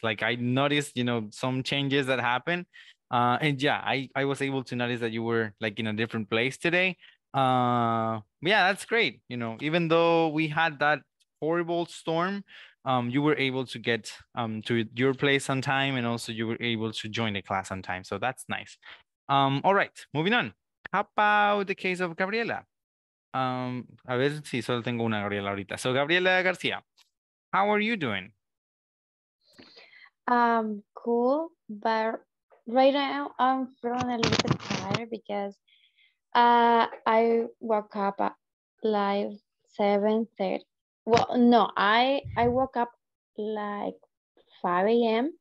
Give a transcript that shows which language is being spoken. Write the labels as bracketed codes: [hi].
[en] Like I noticed, you know, some changes that happen. I was able to notice that you were like in a different place today. Yeah, that's great. You know, even though we had that horrible storm, you were able to get to your place on time, and also you were able to join the class on time. So that's nice. All right, moving on. How about the case of Gabriela? [es] A ver si solo tengo una Gabriela ahorita. [en] So Gabriela García, how are you doing? Cool, but right now I'm feeling a little bit tired because I woke up at like 7:30. Well, no, I woke up like 5 a.m.